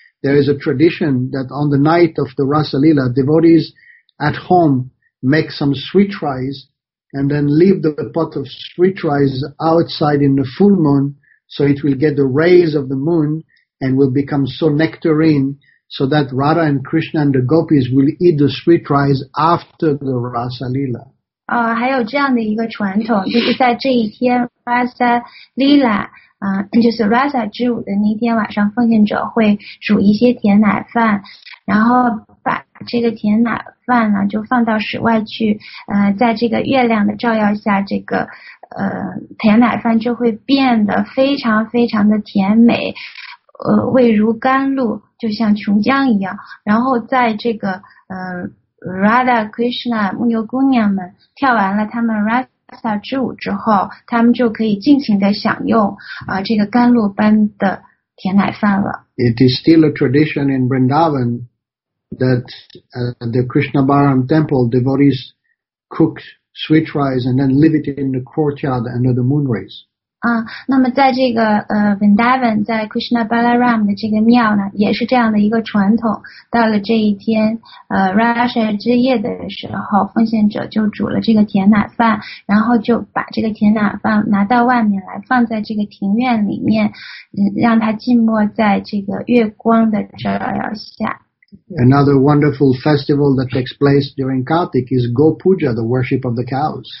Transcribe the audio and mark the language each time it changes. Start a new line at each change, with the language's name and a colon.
English: There is a tradition that on the night of the Rasa Lila, devotees at home make some sweet rice and then leave the pot of sweet rice outside in the full moon so it will get the rays of the moon and will become so nectarine so that Radha and Krishna and the gopis will eat the sweet rice after the Rasa Lila.
Chinese: 还有这样的一个传统，就是在这一天 Rasa Lila就是 Rasa 之舞的那天晚上，奉献者会煮一些甜奶饭，然后把这个甜奶饭呢就放到室外去，在这个月亮的照耀下，这个甜奶饭就会变得非常非常的甜美，味如甘露，就像琼浆一样。然后在这个Radha Krishna 牧牛姑娘们跳完了他们 Rasa。 Rasa 之舞之后，他们就可以尽情的享用这个甘露般的甜奶饭了。
English: It is still a tradition in Vrindavan that the Krishna Balaram temple devotees cook sweet rice and then leave it in the courtyard under the moon rays.
Chinese: 那么在这个Vrindavan， 在 Krishna Balaram 的这个庙呢，也是这样的一个传统。到了这一天，Rasa 之夜的时候，奉献者就煮了这个甜奶饭，然后就把这个甜奶饭拿到外面来，放在这个庭院里面，让它浸没在这个月光的照耀下。
English: Another wonderful festival that takes place during Kartik is Gopuja, the worship of the cows.